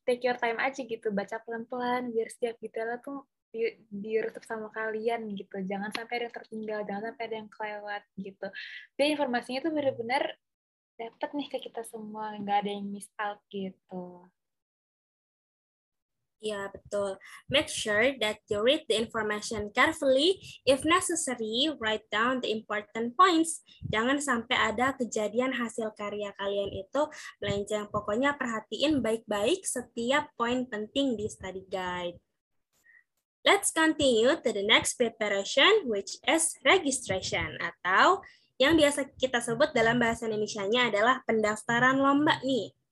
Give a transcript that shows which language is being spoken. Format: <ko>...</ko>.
<en>Take your time</en> <id>aja gitu, baca pelan-pelan biar setiap detailnya tuh diresep sama kalian gitu. Jangan sampai ada yang tertinggal, jangan sampai ada yang kelewat gitu. Biar informasinya tuh benar-benar dapat nih ke kita semua, nggak ada yang</id> <en>miss out</en> <id>gitu. Ya, betul.</id> <en>Make sure that you read the information carefully. If necessary, write down the important points.</en> <id>Jangan sampai ada kejadian hasil karya kalian itu melenceng. Pokoknya perhatiin baik-baik setiap poin penting di study guide.</id> <en>Let's continue to the next preparation, which is registration,</en> <id>atau yang biasa kita sebut dalam bahasa Indonesia-nya adalah pendaftaran lomba nih.</id>